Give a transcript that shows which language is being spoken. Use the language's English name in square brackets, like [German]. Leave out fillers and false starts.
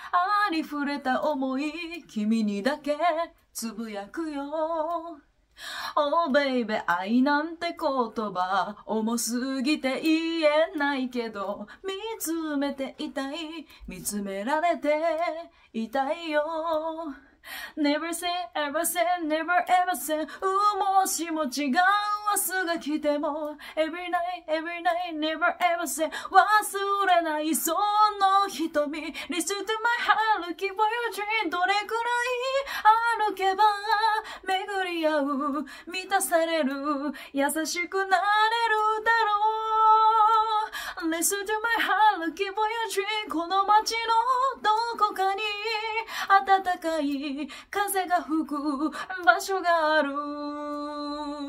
[Japanese] ありふれた思い、君にだけつぶやくよ。 [English] Oh baby, [Japanese] 愛なんて言葉重すぎて言えないけど、見つめていたい、見つめられていたいよ。 [English] Never say, ever say, never ever say. [Japanese] もしも違う明日が来ても [English] Every night, every night, never ever say. [Japanese] 忘れないその瞳。 [English] Listen to my heart, looking for your dream. [Japanese] どれくらい歩けば巡り合う、満たされる、優しくなれるだろう。 [English] Listen to my heart, looking for your dream. [Japanese] この街のどこかに暖かい風が吹く場所がある。